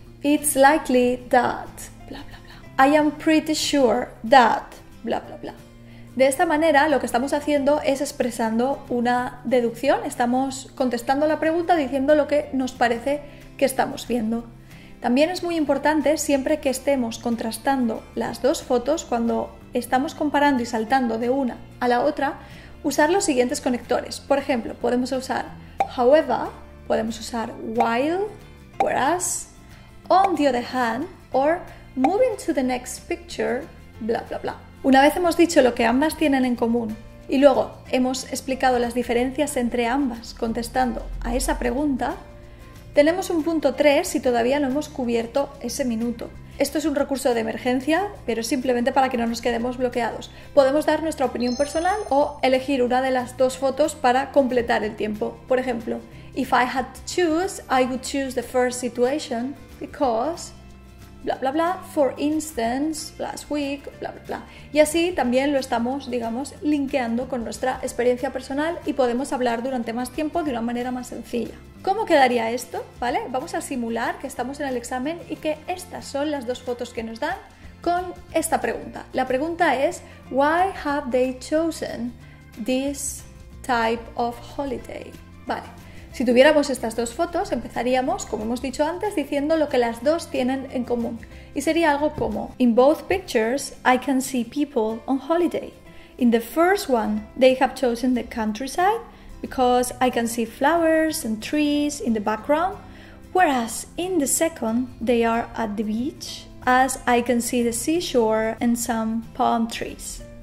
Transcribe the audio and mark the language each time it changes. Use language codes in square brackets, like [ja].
[en] It's likely that bla bla bla. I am pretty sure that bla bla bla. [es] De esta manera, lo que estamos haciendo es expresando una deducción. Estamos contestando la pregunta diciendo lo que nos parece que estamos viendo. También es muy importante, siempre que estemos contrastando las dos fotos, cuando estamos comparando y saltando de una a la otra, usar los siguientes conectores. Por ejemplo, podemos usar however, podemos usar while, whereas, [en] on the other hand, or moving to the next picture, [es] bla bla bla. Una vez hemos dicho lo que ambas tienen en común y luego hemos explicado las diferencias entre ambas contestando a esa pregunta, tenemos un punto 3 y todavía no hemos cubierto ese minuto. Esto es un recurso de emergencia, pero es simplemente para que no nos quedemos bloqueados. Podemos dar nuestra opinión personal o elegir una de las dos fotos para completar el tiempo. Por ejemplo, [en] if I had to choose, I would choose the first situation because bla bla bla, for instance, last week, bla bla bla. [es] Y así también lo estamos, digamos, linkeando con nuestra experiencia personal y podemos hablar durante más tiempo de una manera más sencilla. ¿Cómo quedaría esto? ¿Vale? Vamos a simular que estamos en el examen y que estas son las dos fotos que nos dan con esta pregunta. La pregunta es, [en] why have they chosen this type of holiday? [es] Vale. Si tuviéramos estas dos fotos, empezaríamos, como hemos dicho antes, diciendo lo que las dos tienen en común. Y sería algo como, [en] in both pictures, I can see people on holiday. In the first one, they have chosen the countryside because I can see flowers and trees in the background. Whereas in the second, they are at the beach as I can see the seashore and some palm trees.